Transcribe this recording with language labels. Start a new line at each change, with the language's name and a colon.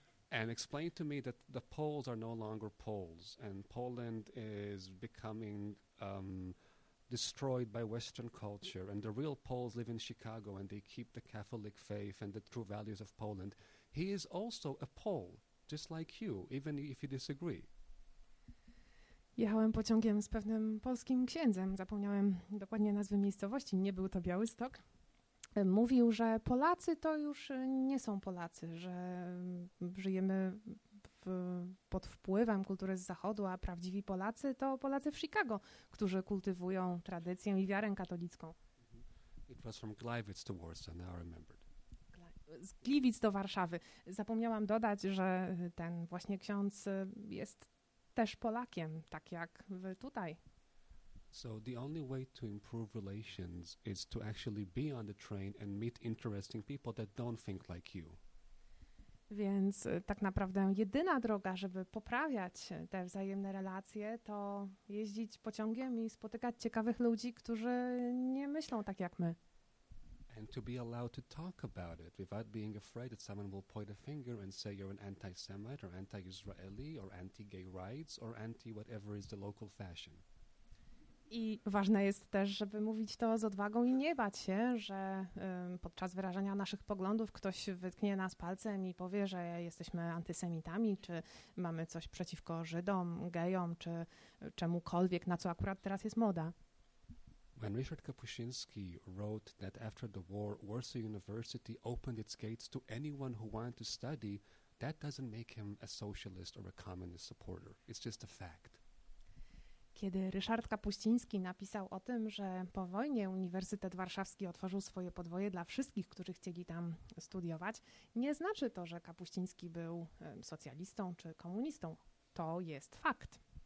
English: And explained to me that the Poles are no longer Poles, and Poland is becoming destroyed by Western culture, and the real Poles live in Chicago, and they keep the Catholic faith and the true values of Poland. He is also a Pole, just like you, even if you disagree.
Polish: Jechałem pociągiem z pewnym polskim księdzem. Zapomniałem dokładnie nazwy miejscowości. Nie był to Białystok. Mówił, że Polacy to już nie są Polacy, że żyjemy pod wpływem kultury z Zachodu, a prawdziwi Polacy to Polacy w Chicago, którzy kultywują tradycję i wiarę katolicką.
English: It was from Gliwice to Warsaw, now I remembered.
Polish: Z Gliwic do Warszawy. Zapomniałam dodać, że ten właśnie ksiądz jest też Polakiem, tak jak wy tutaj.
English: So the only way to improve relations is to actually be on the train and meet interesting people that don't think like you.
Polish: Więc tak naprawdę jedyna droga, żeby poprawiać te wzajemne relacje, to jeździć pociągiem i spotykać ciekawych ludzi, którzy nie myślą tak jak my.
English: And to be allowed to talk about it without being afraid that someone will point a finger and say you're an anti-Semite or anti-Israeli or anti-gay rights or anti-whatever is the local fashion.
Polish: I ważne jest też, żeby mówić to z odwagą i nie bać się, że podczas wyrażania naszych poglądów ktoś wytknie nas palcem i powie, że jesteśmy antysemitami, czy mamy coś przeciwko Żydom, gejom, czy czemukolwiek, na co akurat teraz jest moda.
English: When Richard Kapuściński wrote that after the war, Warsaw University opened its gates to anyone who wanted to study, that doesn't make him a socialist or a communist supporter. It's just a fact.
Polish: Kiedy Ryszard Kapuściński napisał o tym, że po wojnie Uniwersytet Warszawski otworzył swoje podwoje dla wszystkich, którzy chcieli tam studiować, nie znaczy to, że Kapuściński był socjalistą czy komunistą. To jest fakt.